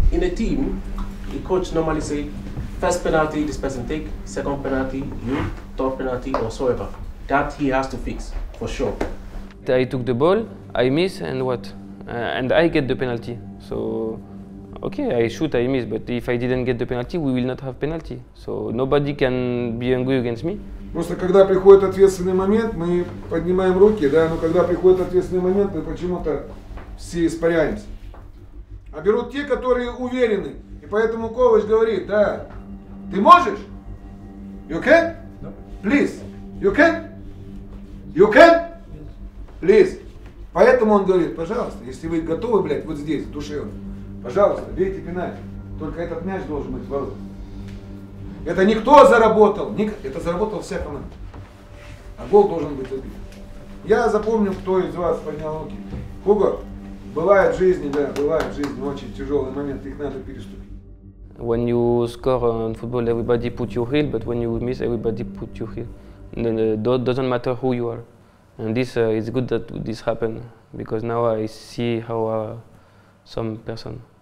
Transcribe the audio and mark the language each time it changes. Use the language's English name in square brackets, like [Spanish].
[English] In a team, the coach normally say, first penalty this person take, second penalty you, third penalty or so ever. That he has to fix, for sure. I took the ball, I miss and what? And I get the penalty. So, okay, I shoot, I miss, but if I didn't get the penalty, we will not have penalty. So nobody can be angry against me. [Russian] Просто когда приходит ответственный момент, мы поднимаем руки, да, но когда приходит ответственный момент, мы почему-то все испаряемся. А берут те, которые уверены. И поэтому Ковач говорит, да, ты можешь? [English] You can? Please. You can? You can? Please. [Russian] Поэтому он говорит, пожалуйста, если вы готовы, блядь, вот здесь, душевно, пожалуйста, бейте пенальти. Только этот мяч должен быть в воротах. Это не кто заработал, это заработал вся команда. А гол должен быть забит. Я запомню, кто из вас поднял руки. Хуго, бывает в жизни, да, бывает в жизни очень тяжелый момент, их надо переступить. [English] When you score in football, everybody put your heel, but when you miss, everybody put your heel. And it doesn't matter who you are. And this is good that this happened, because now I see how some person.